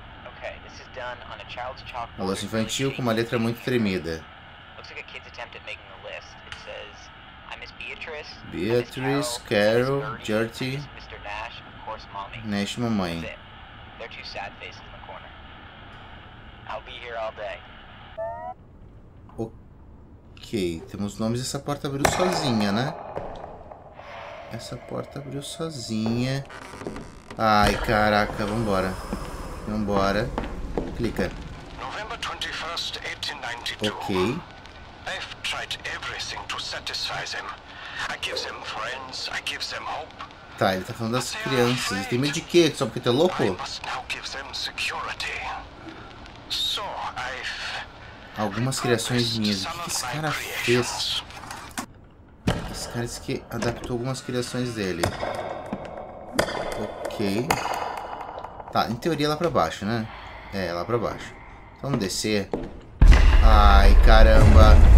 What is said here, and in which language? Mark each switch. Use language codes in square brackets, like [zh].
[en] Okay, this is done on a child's chalkboard. [pt] Uma louça infantil com uma letra muito tremida. [en] Looks like a kid's attempt at making a list. It says, I miss Beatrice. Beatrice, Carol, Gertie. Mr. Nash, of course, mommy. [pt] Nash, mamãe. [en] They're two sad faces in the corner. I'll be here all day. [pt] Ok, temos nomes. Essa porta abriu sozinha, né? Essa porta abriu sozinha. Ai, caraca, vambora. Vambora. Clica. [en] November 21st, 1892. Ok. I've tried everything to satisfy them. I give them friends, I give them hope. [pt] Tá, ele tá falando das crianças. Ele tem medo de quê? Só porque tu é louco? [en] I must now give them security. So, I've... [pt] Algumas criações minhas. O que esse cara fez? Esse cara disse que adaptou algumas criações dele. Ok. Tá, em teoria é lá pra baixo, né? É, é lá pra baixo. Então vamos descer. Ai, caramba.